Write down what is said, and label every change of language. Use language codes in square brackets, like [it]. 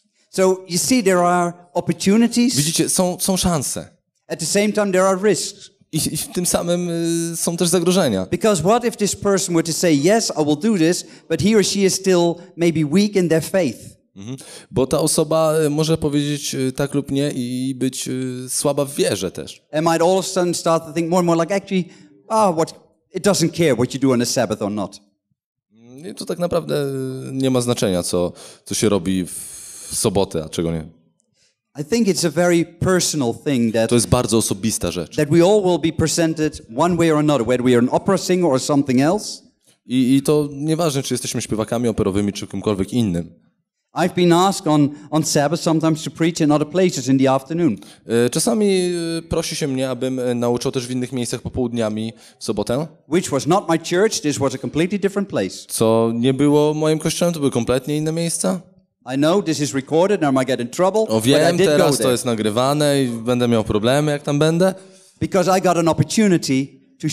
[en] So you see, there are opportunities. [pl] Widzicie, są szanse. [en] At the same time, there are risks. [pl] I w tym samym są też zagrożenia. [en] Because what if this person were to say, yes, I will do this, but he or she is still maybe weak in their faith? Mhm. [pl] Bo ta osoba może powiedzieć tak lub nie i być słaba w wierze też. [en] And might all of a sudden start to think more and more like, actually, ah, oh, what? It doesn't care what you do on the Sabbath or not. [pl] I to tak naprawdę nie ma znaczenia, co się robi w sobotę, a czego nie. [en] I think it's a very personal thing that [pl] to jest bardzo osobista rzecz. [en] That we all will be presented one way or another, whether we are an opera singer or something else. [pl] I to nieważne, czy jesteśmy śpiewakami operowymi, czy kimkolwiek innym. [en] I've been asked on Sabbath sometimes to preach in other places in the afternoon. [pl] Czasami prosi się mnie, abym nauczał też w innych miejscach popołudniami w sobotę. [en] Which was not my church, this was a completely different place. [pl] Co nie było moim kościołem, to były kompletnie inne miejsca. [en] I know this is recorded and I might get in trouble. [pl] O wiem, [en] but I did [pl] teraz [en] go there. [pl] To jest nagrywane i będę miał problemy, jak tam będę. [en] Because I got an opportunity to